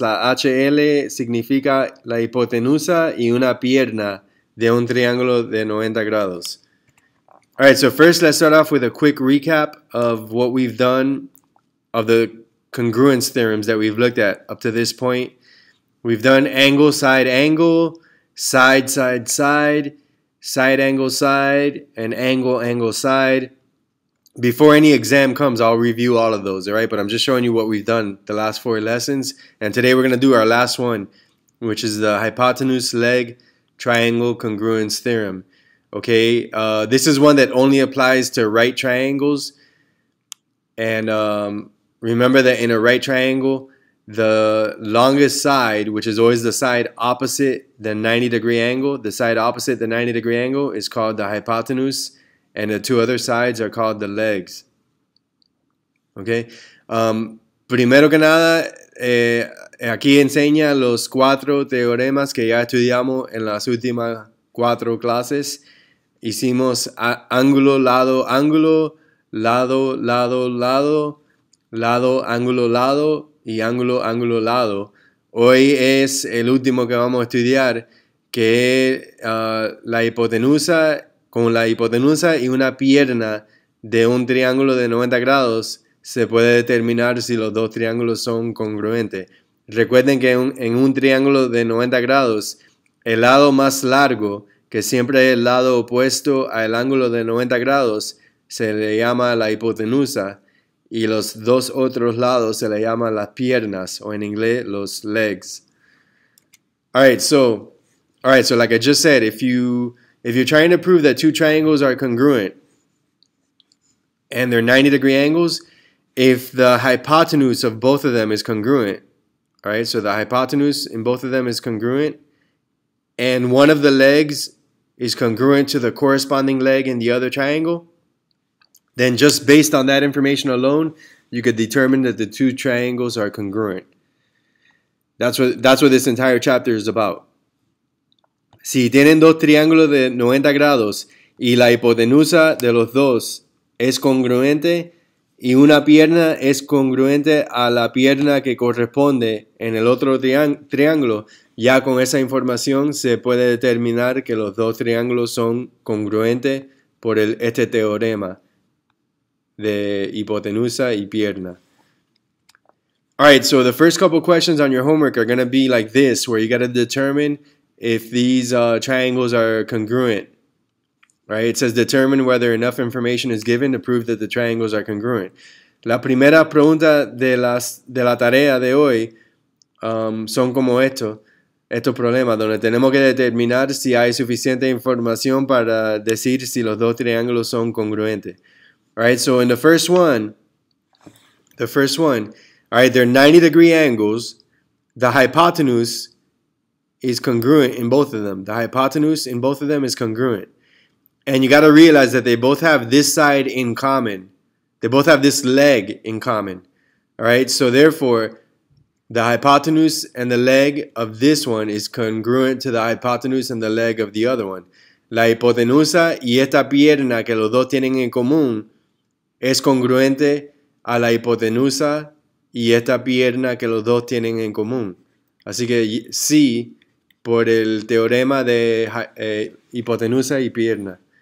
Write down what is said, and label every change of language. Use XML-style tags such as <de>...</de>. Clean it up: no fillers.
<es>La HL significa la hipotenusa y una pierna de un triángulo de 90 grados.</es> <en>All right, so first let's start off with a quick recap of what we've done of the congruence theorems that we've looked at up to this point. We've done angle, side, angle, side, side, side, side, angle, side, and angle, angle, side. Before any exam comes, I'll review all of those, all right? But I'm just showing you what we've done the last four lessons. And today we're going to do our last one, which is the hypotenuse leg triangle congruence theorem. Okay, this is one that only applies to right triangles. And remember that in a right triangle, the longest side, which is always the side opposite the 90 degree angle, the side opposite the 90 degree angle is called the hypotenuse, and the two other sides are called the legs.</en> <es>Okay, primero que nada, aquí enseña los cuatro teoremas que ya estudiamos en las últimas cuatro clases. Hicimos ángulo, lado, ángulo, lado, lado, lado, lado, ángulo, lado, y ángulo, ángulo, lado. Hoy es el último que vamos a estudiar, que es la hipotenusa, con la hipotenusa y una pierna de un triángulo de 90 grados, se puede determinar si los dos triángulos son congruentes. Recuerden que en un triángulo de 90 grados, el lado más largo, que siempre es el lado opuesto al ángulo de 90 grados, se le llama la hipotenusa, y los dos otros lados se le llaman las piernas, o en inglés, los legs.</es> <en>All right, so like I just said, if you're trying to prove that two triangles are congruent, and they're 90 degree angles, if the hypotenuse of both of them is congruent, all right, so the hypotenuse in both of them is congruent, and one of the legs is congruent to the corresponding leg in the other triangle, then just based on that information alone, you could determine that the two triangles are congruent. That's what this entire chapter is about.</en> <es>Si tienen dos triángulos de 90 grados y la hipotenusa de los dos es congruente y una pierna es congruente a la pierna que corresponde en el otro triángulo, ya con esa información se puede determinar que los dos triángulos son congruentes por este teorema de hipotenusa y pierna.</es> <en>All right, so the first couple questions on your homework are going to be like this, where you got to determine if these triangles are congruent. Right? It says determine whether enough information is given to prove that the triangles are congruent.</en> <es>La primera pregunta de la tarea de hoy son como estos problemas, donde tenemos que determinar si hay suficiente información para decir si los dos triángulos son congruentes.</es> <en>All right, so in the first one, all right, they're 90 degree angles. The hypotenuse is congruent in both of them. The hypotenuse in both of them is congruent. And you got to realize that they both have this side in common. They both have this leg in common. All right, so therefore, the hypotenuse and the leg of this one is congruent to the hypotenuse and the leg of the other one.</en> <es>La hipotenusa y esta pierna que los dos tienen en común es congruente a la hipotenusa y esta pierna que los dos tienen en común. Así que sí, por el teorema de hipotenusa y pierna.</es>